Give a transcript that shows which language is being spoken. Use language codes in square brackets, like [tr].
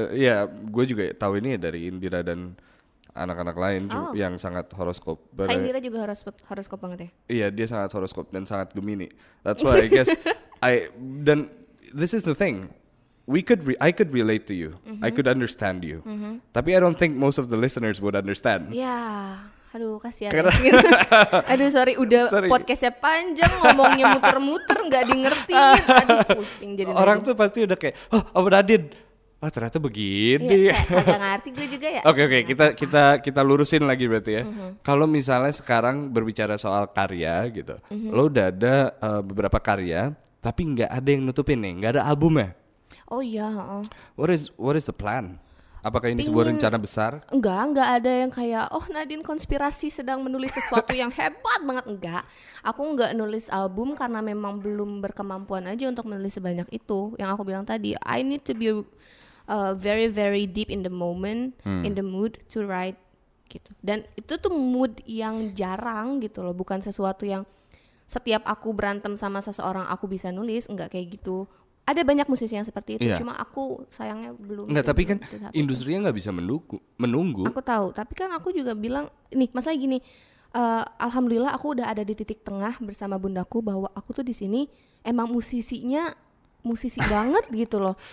[id] Ya, gue juga tahu ini dari Indira dan anak-anak lain yang sangat horoskop. Kak Indira juga horoskop banget ya? Iya, dia sangat horoskop dan sangat Gemini. [en] That's why I guess I then this is the thing. I could relate to you. Mm-hmm. I could understand you. Mm-hmm. [id] Tapi [en] I don't think most of the listeners would understand. [id] Yeah. Aduh, kasihan. Karena... Aduh, sorry. Udah sorry. Podcastnya panjang, ngomongnya muter-muter, gak dingertiin. Aduh, pusing. Jadi orang Nadine tuh pasti udah kayak, oh, Om Nadine. Wah, ternyata begini. Iya, kagak ngerti gue juga ya. Oke, okay, kita lurusin lagi berarti ya. Mm-hmm. Kalau misalnya sekarang berbicara soal karya gitu. Mm-hmm. Lo udah ada beberapa karya, tapi gak ada yang nutupin nih. Gak ada albumnya. Oh iya. [en] What is the plan? [id] Apakah ini sebuah rencana besar? Enggak ada yang kayak, oh Nadine konspirasi sedang menulis sesuatu yang hebat banget. Enggak, aku enggak nulis album karena memang belum berkemampuan aja untuk menulis sebanyak itu. Yang aku bilang tadi, [en] I need to be very very deep in the moment, in the mood to write gitu. [id] Dan itu tuh mood yang jarang gitu loh, bukan sesuatu yang setiap aku berantem sama seseorang aku bisa nulis, enggak kayak gitu. Ada banyak musisi yang seperti itu, cuma aku sayangnya belum. Enggak, tapi kan industrinya enggak bisa menunggu. Aku tahu, tapi kan aku juga bilang, nih, masalahnya gini. Alhamdulillah aku udah ada di titik tengah bersama bundaku bahwa aku tuh di sini emang musisi banget gitu loh.